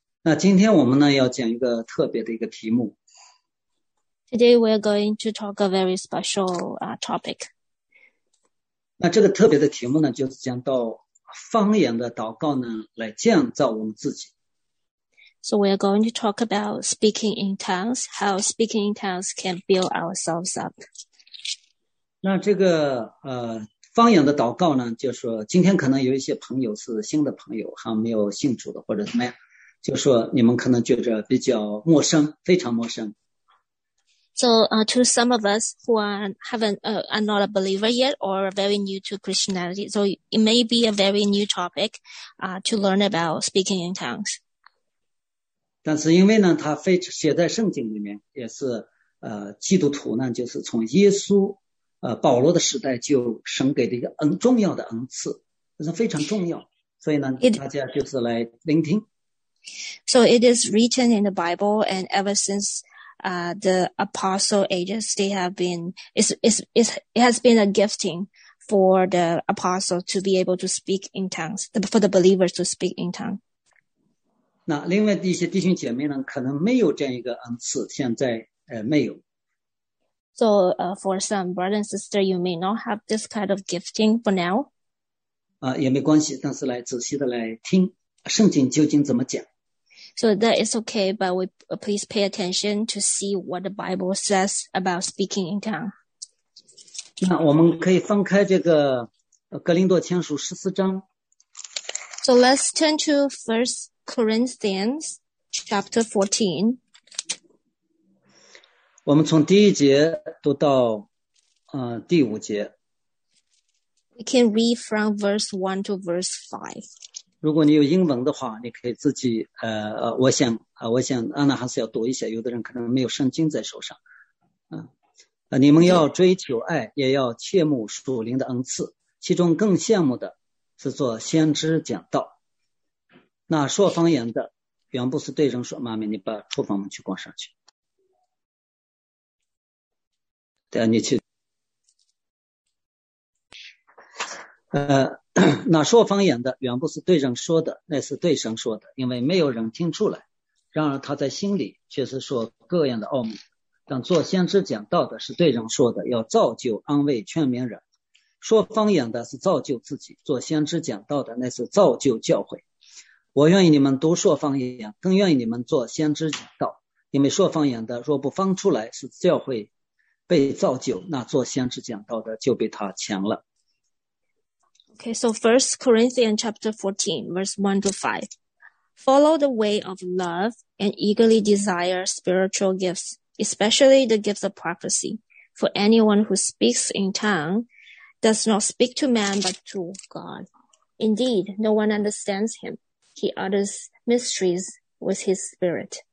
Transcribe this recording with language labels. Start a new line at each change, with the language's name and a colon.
Chinese: 那今天我们呢要讲一个特别的一个题目。
English: Today we're going to talk a very special topic.
Chinese: 那这个特别的题目呢，就是讲到方言的祷告呢，来建造我们自己。
English: So we're going to talk about speaking in tongues, how speaking in tongues can build ourselves up.
Chinese: 那这个方言的祷告呢，就是说今天可能有一些朋友是新的朋友，还没有信主的或者怎么样。就说你们可能觉着比较陌生，非常陌生。
English: So, to some of us who are not a believer yet or very new to Christianity, so it may be a very new topic, to learn about speaking in tongues.
Chinese: 但是因为呢，他非写在圣经里面，也是基督徒呢，就是从耶稣保罗的时代就神给的一个很重要的恩赐，这是非常重要，所以呢，大家就是来聆听。
English: So it is written in the Bible, and ever since the apostle ages, they have been it has been a gifting for the apostle to be able to speak in tongues, for the believers to speak in tongues.
Chinese: 那另外的一些弟兄姐妹呢，可能没有这样一个恩赐，现在没有。
English: So for some brother and sister, you may not have this kind of gifting for now.
Chinese: 也没关系，但是来仔细的来听圣经究竟怎么讲。
English: So that is okay, but we please pay attention to see what the Bible says about speaking in tongues.
Chinese: 那我们可以翻开这个格林多前书14章。
English: So let's turn to 1 Corinthians chapter 14.
Chinese: 我们从第一节读到，第五节。
English: We can read from verse 1 to verse 5.
Chinese: 如果你有英文的话，你可以自己，我想，安娜还是要读一下，有的人可能没有圣经在手上。你们要追求爱，也要切慕属灵的恩赐，其中更羡慕的是做先知讲道。那说方言的，原不是对人说，妈咪，你把厨房门去关上去。对啊，你去。那说方言的原不是对人说的，那是对神说的，因为没有人听出来。然而他在心里却是说各样的奥秘。但做先知讲道的是对人说的，要造就、安慰、劝勉人；说方言的是造就自己，做先知讲道的那是造就教会。我愿意你们都说方言，更愿意你们做先知讲道，因为说方言的若不方出来，是教会。被造就，那做先知讲道的就比他强了。
English: Okay, so 1 Corinthians chapter 14, verse 1 to 5. Follow the way of love and eagerly desire spiritual gifts, especially the gifts of prophecy. For anyone who speaks in tongues does not speak to man but to God. Indeed, no one understands him. He utters mysteries with his spirit.